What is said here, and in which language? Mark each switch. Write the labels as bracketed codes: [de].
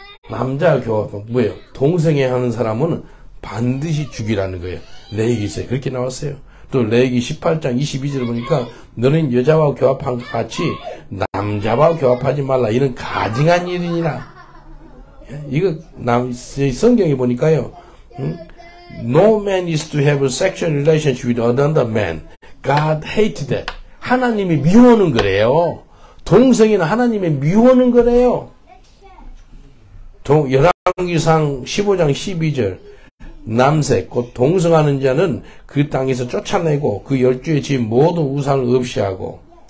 [ko] 남자 교합은 뭐예요? 동성애 하는 사람은 반드시 죽이라는 거예요. 레위기에서 그렇게 나왔어요. 또 레위기 18장 22절에 보니까 너는 여자와 교합한 것 같이 남자와 교합하지 말라. 이는 가증한 일이니라. 이거 성경에 보니까요. [en] No man is to have a sexual relationship with another man. God hates that. [ko] 하나님이 미워하는 거래요. 동성애는 하나님이 미워하는 거래요. 열왕기상 15장 12절. 남색, 곧 동성하는 자는 그 땅에서 쫓아내고 그 열주의 집 모든 우상을 없이하고.